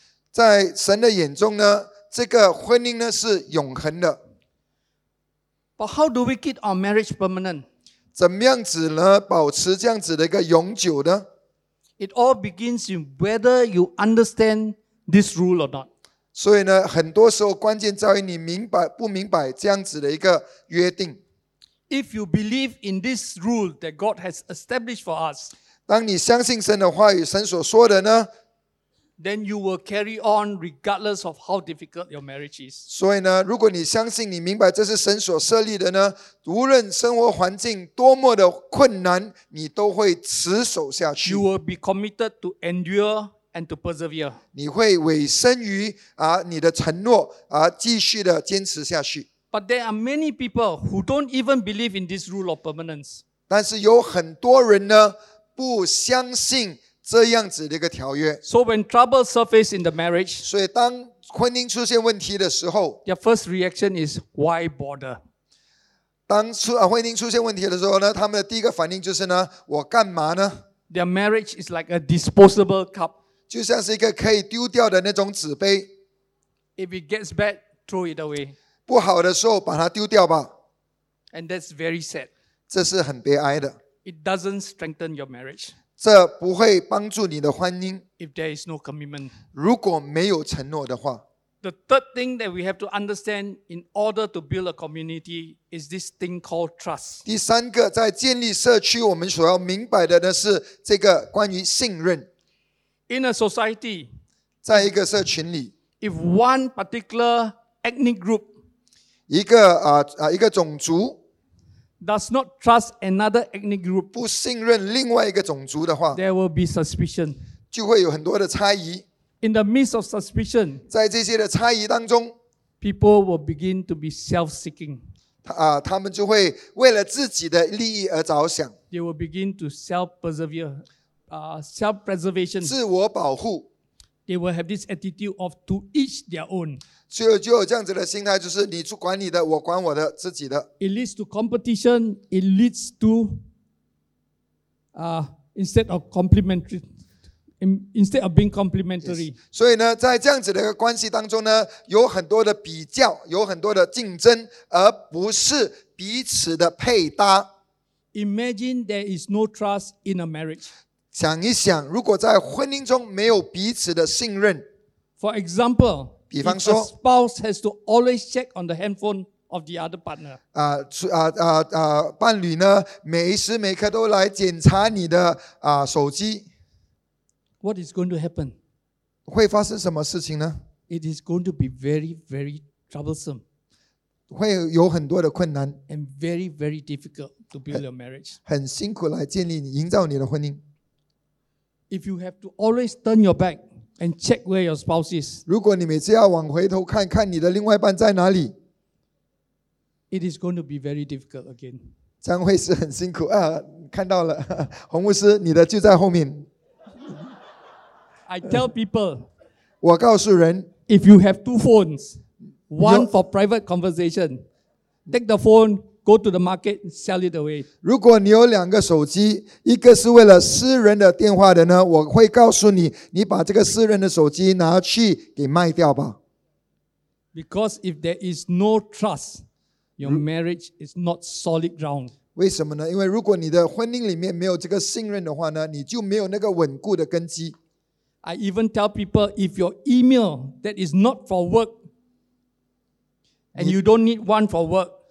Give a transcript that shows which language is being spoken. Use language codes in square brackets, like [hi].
[zh] 在神的眼中呢，这个婚姻呢是永恒的。 [en] But how do we keep our marriage permanent? [zh] 怎么样子呢，保持这样子的一个永久呢？ [en] It all begins in whether you understand this rule or not. [zh] 所以呢，很多时候关键在于你明白不明白这样子的一个约定。 [en] If you believe in this rule that God has established for us, [zh] 当你相信神的话语，神所说的呢 [en] ，then you will carry on regardless of how difficult your marriage is. [zh] 所以呢，如果你相信你明白这是神所设立的呢，无论生活环境多么的困难，你都会持守下去。 [en] You will be committed to endure and to persevere. [zh] 你会委身于你的承诺继续的坚持下去。 [en] But there are many people who don't even believe in this rule of permanence. [zh] 但是有很多人呢不相信这样子的一个条约。 [en] So when trouble surface in the marriage, [zh] 所以当婚姻出现问题的时候 [en] ，their first reaction is why bother? [zh] 当婚姻出现问题的时候呢，他们的第一个反应就是呢，我干嘛呢 [en] ？Their marriage is like a disposable cup, [zh] 就像是一个可以丢掉的那种纸杯。 [en] If it gets bad, throw it away. [zh] 不好的时候把它丢掉吧。 [en] And that's very sad. [zh] 这是很悲哀的。 [en] It doesn't strengthen your marriage. [zh] 这不会帮助你的婚姻。 [en] If there is no commitment. [zh] 如果没有承诺的话。 [en] The third thing that we have to understand in order to build a community is this thing called trust. [zh] 第三个在建立社区我们所要明白的呢是这个关于信任。 [en] In a society, [zh] 在一个社群里 [en] if one particular ethnic group [zh] 一个种族 [en] does not trust another ethnic group [zh] 不信任另外一个种族的话 [en] there will be suspicion [zh] 就会有很多的猜疑 [en] in the midst of suspicion [zh] 在这些的猜疑当中 [en] people will begin to be self-seeking [zh] 他们就会为了自己的利益而着想 [en] they will begin to self-preservation [zh] 自我保护 [en] They will have this attitude of to each their own. [zh] 就有这样子的心态，就是你管你的，我管我的，自己的。 [en] It leads to competition. It leads to instead of being complementary. Yes. [zh] 所以呢，在这样子的一个关系当中呢，有很多的比较，有很多的竞争，而不是彼此的配搭。 [en] Imagine there is no trust in a marriage. [zh] 想一想，如果在婚姻中没有彼此的信任 [en] ，For example， [zh] 比方说 [en] ，a spouse has to always check on the handphone of the other partner。 [zh] 伴侣呢，每时每刻都来检查你的手机。 [en] What is going to happen？ [zh] 会发生什么事情呢 [en] ？It is going to be very, very troublesome。 [zh] 会有很多的困难 [en] ，and very, very difficult to build a marriage。 [zh] 很辛苦来建立你、营造你的婚姻。 [en] If you have to always turn your back and check where your spouse is, [zh] 如果你每次要往回头看看你的另外一半在哪里 [en] it is going to be very difficult again. [zh] 将会是很辛苦啊！看到了，洪牧师，你的就在后面。 [en] I tell people, [zh] 我告诉人 [en] if you have two phones, one for private conversation, take the phone. Go to the market and sell it away. [zh] 如果你有两个手机，一个是为了私人的电话的呢，我会告诉你，你把这个私人的手机拿去给卖掉吧。 [en] Because if there is no trust, your marriage is not solid ground. [zh] 为什么呢？因为如果你的婚姻里面没有这个信任的话呢，你就没有那个稳固的根基。 [en] I even tell people if your email that is not for work, and you don't need one for work.